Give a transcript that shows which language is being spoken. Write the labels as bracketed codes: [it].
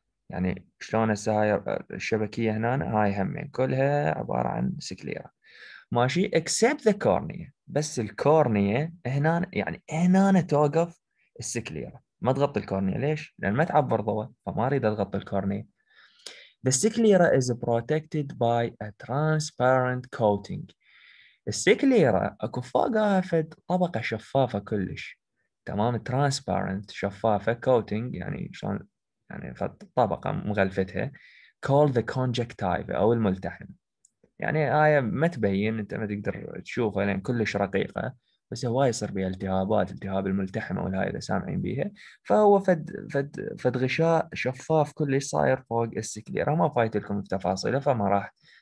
[ar] يعني شلون هسه الشبكيه هنا، هاي هم كلها عباره عن سكليرا، ماشي، اكسبت ذا كورني، بس الكورني هنا يعني هنا توقف السكليرا، ما تغطي الكورنيا. ليش؟ لان ما تعبر ضوء، فما اريد اضغط الكورنيا. [en] The sclera is protected by a transparent coating. [ar] السكليرا اكو فوقها فد طبقه شفافه كلش، تمام؟ transparent شفافه، coating يعني شلون يعني فد طبقه مغلفتها، called the conjunctiva او الملتحم، يعني هاي ما تبين، انت ما تقدر تشوفها لان كلش رقيقه، بس هواي يصير بها التهابات، التهاب الملتحمه والهاي اذا سامعين بيها، فهو فد فد فد غشاء شفاف كلش صاير فوق السكليرا، ما فايت لكم بتفاصيله فما راح